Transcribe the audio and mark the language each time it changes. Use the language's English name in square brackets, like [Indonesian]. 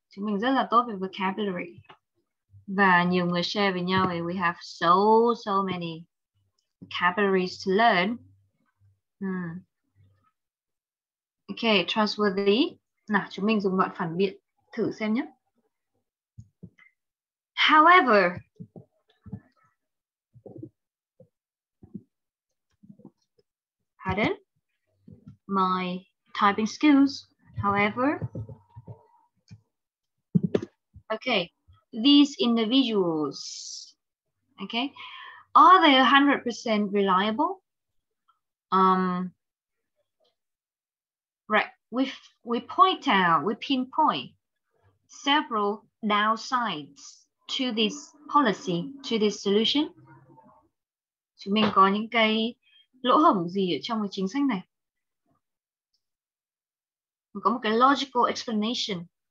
[Vietnamese] Chúng mình rất là tốt về vocabulary. Và nhiều người share với nhau, [English] we have so, so many vocabularies to learn. [Vietnamese] Okay, trustworthy. Nào, chúng mình dùng đoạn phản biện thử xem nhé. [English] However, pardon, my typing skills, however, okay, these individuals, okay, are they 100% reliable? Right, we pinpoint several downsides to this policy, to this solution. [Vietnamese] Chúng mình có những cái lỗ hổng gì ở trong cái chính sách này? Mình có một cái logical explanation.